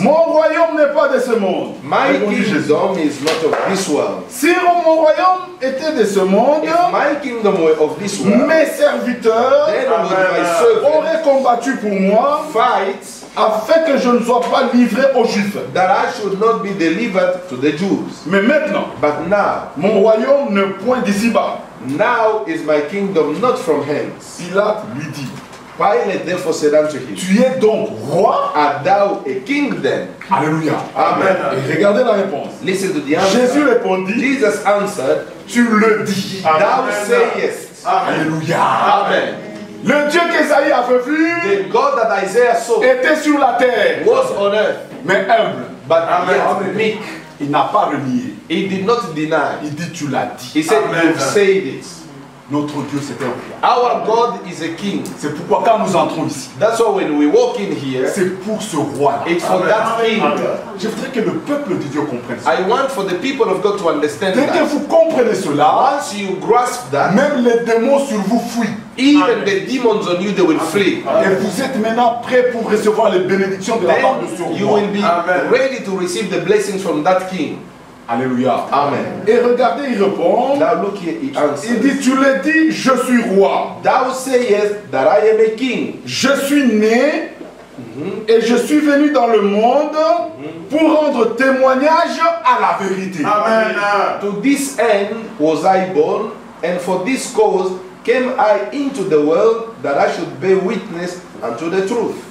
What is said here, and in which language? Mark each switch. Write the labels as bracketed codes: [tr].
[fr] Mon royaume n'est pas de ce monde. [en] My kingdom is not of this world. [fr] Si mon royaume était de ce monde, [en] if my kingdom were of this world, [fr] mes serviteurs auraient combattu pour moi, [en] fight, [fr] afin que je ne sois pas livré aux Juifs. [en] That I should not be delivered to the Jews. [fr] Mais maintenant, [en] but now, [fr] mon royaume n'est point d'ici-bas. [en] Now is my kingdom not from hence. [fr] Pilate lui dit. [en] Pilate therefore said unto him, [fr] tu es donc roi? [en] Art thou a king then? Alléluia. Amen. [fr] Et regardez la réponse. [en] Listen to the answer. [fr] Jésus répondit. [en] Jesus answered, [fr] tu le dis. [en] Amen. Thou sayest. Amen. Alléluia. Amen. [fr] Le Dieu qu'Esaïe avait vu, [en] the God that Isaiah saw, [fr] était sur la terre, [en] was on earth, [fr] mais humble, [en] but yet meek. [fr] Il n'a pas renié. [en] He did not deny. [fr] Il dit, tu l'as dit. [en] He said, amen. You've said it. [fr] Notre Dieu c'est un roi. [en] Our God is a king. [fr] C'est pourquoi quand nous entrons ici. [en] That's why when we walk in here. [fr] C'est pour ce roi. [en] It's for that king. [fr] Je voudrais que le peuple de Dieu comprenne ça. [en] I want for the people of God to understand that. [fr] Dès que vous comprenez cela, [en] once you grasp that, [fr] même les démons sur vous fuient. [en] Even the demons on you, they will flee. [fr] Et vous êtes maintenant prêt pour recevoir les bénédictions de la part de ce roi. [en] You will be ready to receive the blessings from that king. Alléluia. Amen. [fr] Et regardez, il répond. [en] Now look here, he answers. [fr] Il dit, tu l'as dit, je suis roi. [en] Thou sayest that I am a king. [fr] Je suis né et je suis venu dans le monde pour rendre témoignage à la vérité. Amen. [en] To this end was I born, and for this cause came I into the world that I should bear witness unto the truth.